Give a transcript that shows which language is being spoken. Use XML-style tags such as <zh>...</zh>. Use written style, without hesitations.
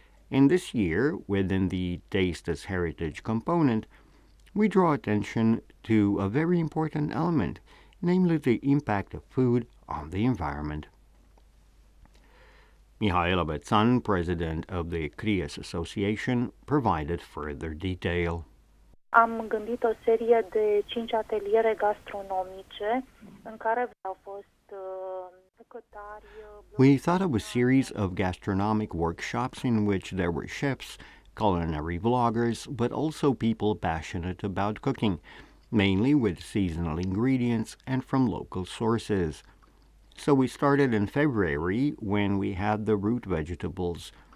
<en>In this year, within the Taste as Heritage component, we draw attention to a very important element, namely the impact of food on the environment. Mihaela Bețan, president of the CRIAS Association, provided further detail.</en> <ro>Am gândit o serie de 5 ateliere gastronomice în care au fost bucătari.</ro> <en>We thought of a series of gastronomic workshops in which there were chefs, culinary vloggers, but also people passionate about cooking, mainly with seasonal ingredients and from local sources. So we started in February when we had the root vegetables.</en>